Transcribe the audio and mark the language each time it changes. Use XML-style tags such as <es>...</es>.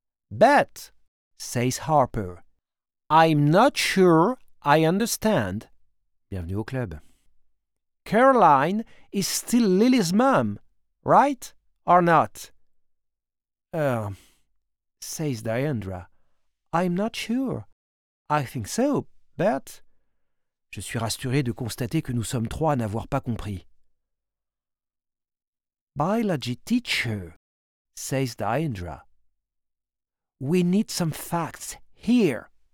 <en>But, says Harper, I'm not sure I understand.</en> <fr>Bienvenue au club.</fr> <en>Caroline is still Lily's mum, right or not? Says Diandra, I'm not sure. I think so, but...</en> <fr>Je suis rassuré de constater que nous sommes trois à n'avoir pas compris.</fr> <en>Biology teacher, says Diandra, we need some facts here.</en>